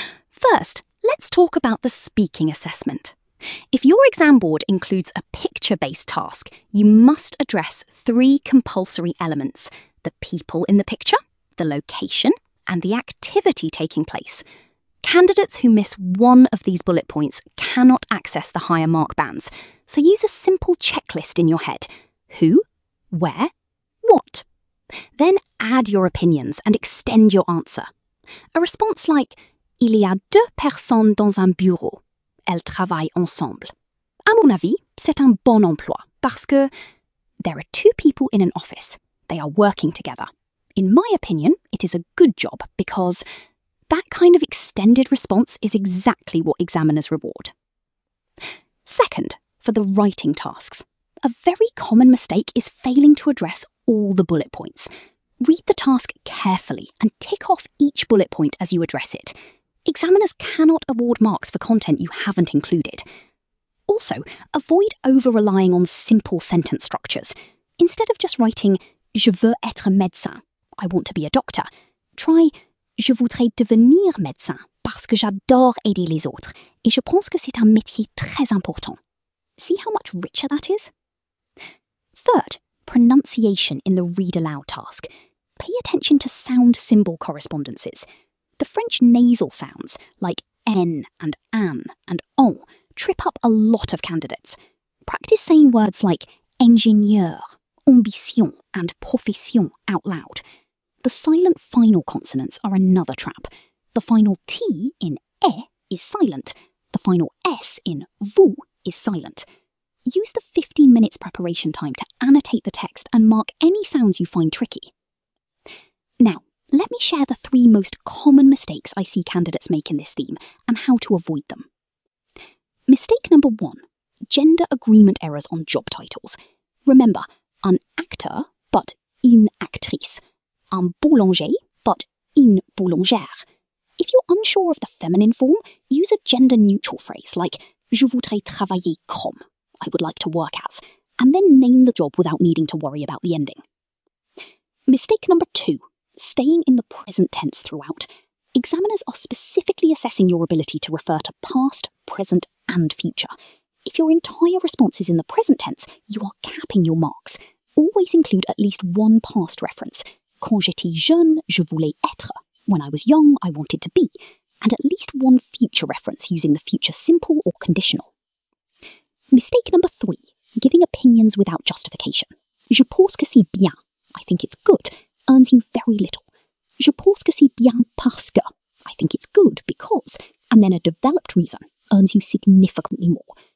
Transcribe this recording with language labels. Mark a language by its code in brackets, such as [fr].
[en] First, let's talk about the speaking assessment. If your exam board includes a picture-based task, you must address three compulsory elements: the people in the picture, the location, and the activity taking place. Candidates who miss one of these bullet points cannot access the higher mark bands, so use a simple checklist in your head: who, where, what. Then add your opinions and extend your answer. [fr] A response like, il y a deux personnes dans un bureau. Elles travaillent ensemble. À mon avis, c'est un bon emploi parce que [en] there are two people in an office. They are working together. In my opinion, it is a good job because that kind of extended response is exactly what examiners reward. Second, for the writing tasks. A very common mistake is failing to address all the bullet points. Read the task carefully and tick off each bullet point as you address it. Examiners cannot award marks for content you haven't included. Also, avoid over-relying on simple sentence structures. Instead of just writing, [fr] je veux être médecin, [en] I want to be a doctor, try, [fr] je voudrais devenir médecin, parce que j'adore aider les autres, et je pense que c'est un métier très important. [en] See how much richer that is? Third, pronunciation in the read aloud task. Pay attention to sound symbol correspondences. The French nasal sounds, like N and an and on, trip up a lot of candidates. Practice saying words like ingénieur, ambition, and profession out loud. The silent final consonants are another trap. The final T in e is silent. The final S in vous is silent. Use the 15 minutes preparation time to annotate the text and mark any sounds you find tricky. Now, let me share the three most common mistakes I see candidates make in this theme and how to avoid them. Mistake number one, gender agreement errors on job titles. Remember, un acteur, but une actrice. Un boulanger, but une boulangère. If you're unsure of the feminine form, use a gender-neutral phrase like [fr] je voudrais travailler comme, [en] I would like to work as, and then name the job without needing to worry about the ending. Mistake number two, staying in the present tense throughout. Examiners are specifically assessing your ability to refer to past, present, and future. If your entire response is in the present tense, you are capping your marks. Always include at least one past reference. [fr] Quand j'étais jeune, je voulais être. [en] When I was young, I wanted to be. And at least one future reference using the future simple or conditional. Mistake number three, giving opinions without justification. [fr] Je pense que c'est bien, [en] I think it's good, earns you very little. [fr] Je pense que c'est bien parce que, [en] I think it's good because, and then a developed reason, earns you significantly more.